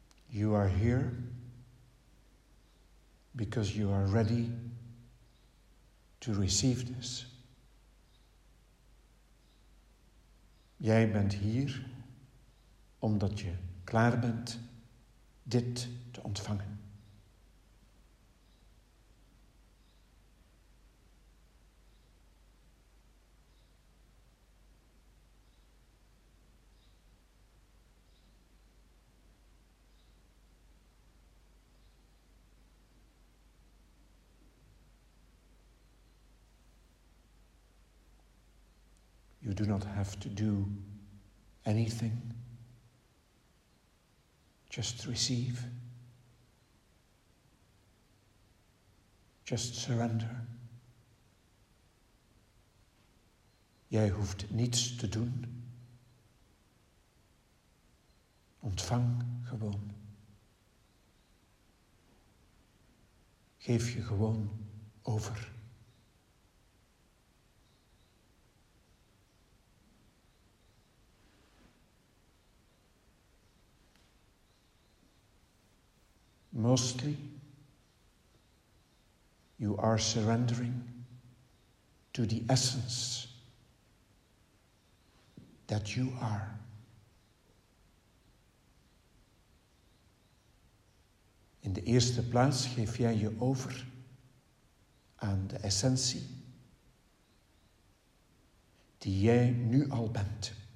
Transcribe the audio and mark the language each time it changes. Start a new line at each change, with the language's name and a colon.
English: You are here because you are ready to receive this.
Dutch: Jij bent hier omdat je klaar bent dit te ontvangen.
English: You do not have to do anything, just receive, just surrender.
Dutch: Jij hoeft niets te doen, ontvang gewoon, geef je gewoon over.
English: Mostly, you are surrendering to the essence that you are.
Dutch: In de eerste plaats geef jij je over aan de essentie die jij nu al bent.